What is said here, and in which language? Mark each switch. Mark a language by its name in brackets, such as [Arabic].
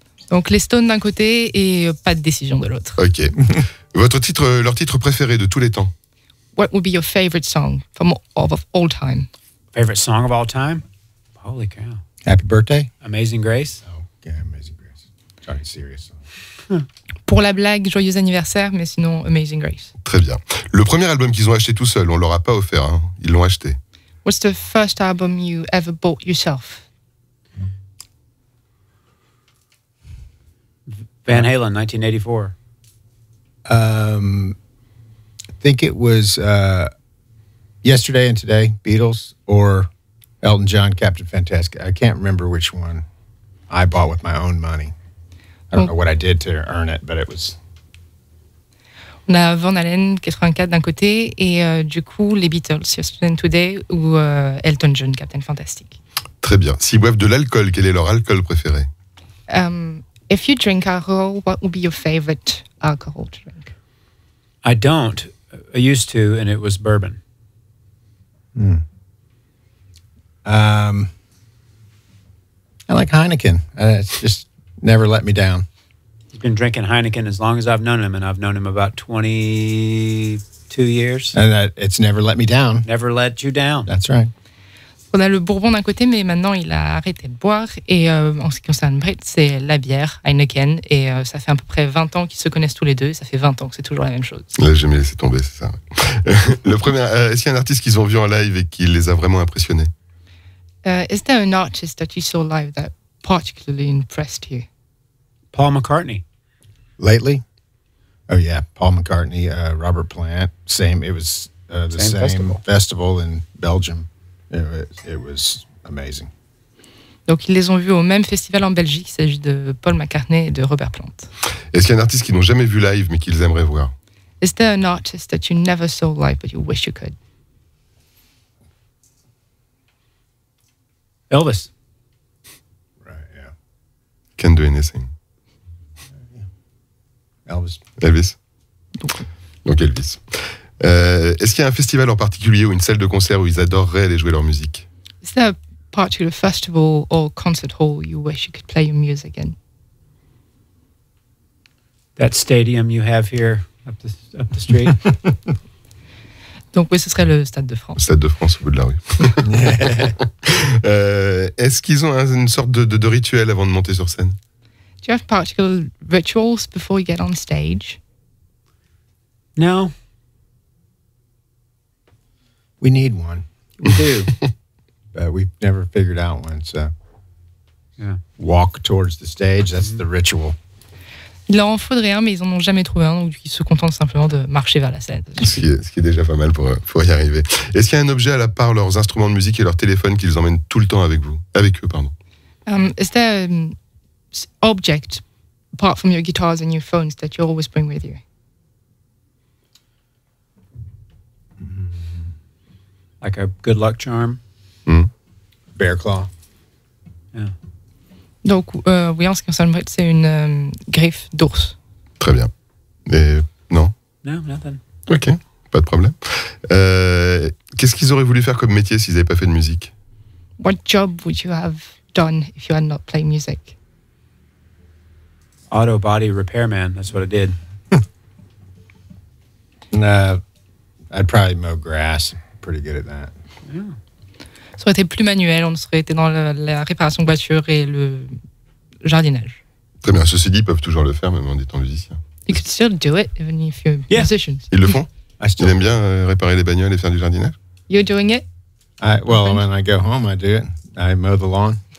[French] Donc les Stones d'un côté et pas de décision de l'autre. Ok. Votre titre, leur titre préféré de tous les temps ? [English] What would be your favorite song from all, of all time ? Favorite song of all time? Holy cow. Happy birthday. Amazing Grace. Okay, Amazing Grace. Sorry, serious song. [French] Pour la blague, joyeux anniversaire, mais sinon Amazing Grace. Très bien. Le premier album qu'ils ont acheté tout seuls, on ne leur a pas offert, hein. Ils l'ont acheté. [English] What's the first album you ever bought yourself? Van Halen, 1984. I think it was Yesterday and Today, Beatles, or Elton John, Captain Fantastic. I can't remember which one I bought with my own money. I don't know what I did to earn it, but it was... [French] On a Van Halen, 84 d'un côté, et du coup, les Beatles, Yesterday and Today, ou Elton John, Captain Fantastic. Très bien. S'ils boivent de l'alcool, quel est leur alcohol préféré? [English] If you drink alcohol, what would be your favorite alcohol to drink? I don't. I used to, and it was bourbon. I like Heineken. It's just never let me down. He's been drinking Heineken as long as I've known him, and I've known him about 22 years. And it's never let me down. Never let you down. That's right. [French] On a le bourbon d'un côté, mais maintenant il a arrêté de boire. Et en ce qui concerne Brett, c'est la bière, Heineken. Et ça fait à peu près 20 ans qu'ils se connaissent tous les deux. Ça fait 20 ans que c'est toujours la même chose. Là, j'ai jamais laissé tomber, c'est ça. Le premier, est-ce qu'il y a un artiste qu'ils ont vu en live et qui les a vraiment impressionnés? [English] Is there an artist that you saw live that particularly impressed you? Paul McCartney. Lately? Oh yeah, Paul McCartney, Robert Plant. Same, it was the same, festival in Belgium. It was amazing. [French] Donc, ils les ont vus au même festival en Belgique. Il s'agit de Paul McCartney et de Robert Plant. Est-ce qu'il y a un artiste qu'ils n'ont jamais vu live, mais qu'ils aimeraient voir? [English] Is there an artist that you never saw live, but you wish you could? Elvis. Right, yeah. Can't do anything. Elvis. [French] Elvis. Donc Elvis. Est-ce qu'il y a un festival en particulier ou une salle de concert où ils adoreraient aller jouer leur musique? [English] Is there a particular festival or concert hall you wish you could play your music in? That stadium you have here up the street. [French] Donc oui, ce serait le Stade de France. Stade de France au bout de la rue. Est-ce qu'ils ont une sorte de rituel avant de monter sur scène? [English] Do you have particular rituals before you get on stage? No. We need one. We do. But we've never figured out one, so. Yeah. Walk towards the stage, that's the ritual. [French] Il en faudrait un, mais ils n'en ont jamais trouvé un, donc ils se contentent simplement de marcher vers la scène. Ce qui est déjà pas mal pour y arriver. Est-ce qu'il y a un objet à la part leurs instruments de musique et leur téléphone qu'ils emmènent tout le temps avec eux? [English] Is there an object, apart from your guitars and your phones, that you always bring with you? Like a good luck charm. Mm. Bear claw. Yeah. [French] Donc, oui, en ce qui concerne Brett, c'est une griffe d'ours. Très bien. Et non? [English] No, nothing. [French] Ok, pas de problème. Qu'est-ce qu'ils auraient voulu faire comme métier s'ils n'avaient pas fait de musique? [English] What job would you have done if you had not played music? Auto body repairman, that's what I did. Nah, I'd probably mow grass. Pretty good at that. Yeah. [French] Ça aurait été plus manuel, on serait été dans la réparation de voiture et le jardinage. Très bien, ceci dit, ils peuvent toujours le faire, même en étant musicien. [English] You could still do it, even if you're yeah. musicians. [French] Ils le font? Ils aiment bien réparer les bagnoles et faire du jardinage? [English] You're doing it? I, well, when I go home, I do it. I mow the lawn.